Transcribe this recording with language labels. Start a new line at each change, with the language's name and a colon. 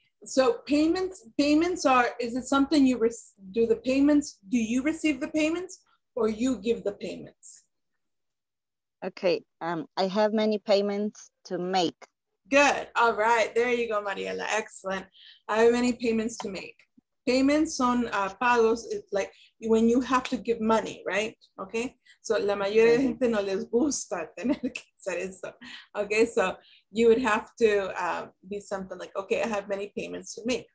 English: So payments are, is it something you do the payments, do you receive the payments or you give the payments? Okay, I have many payments to make. Good, all right, there you go, Mariela, excellent. I have many payments to make. Payments
Spanish: son pagos.
English: It's like when you have to give money, right? Okay. So
Spanish: la mayoría de gente no les gusta tener que hacer eso.
English: Okay. So you would have to be something like, okay, I have many payments to make.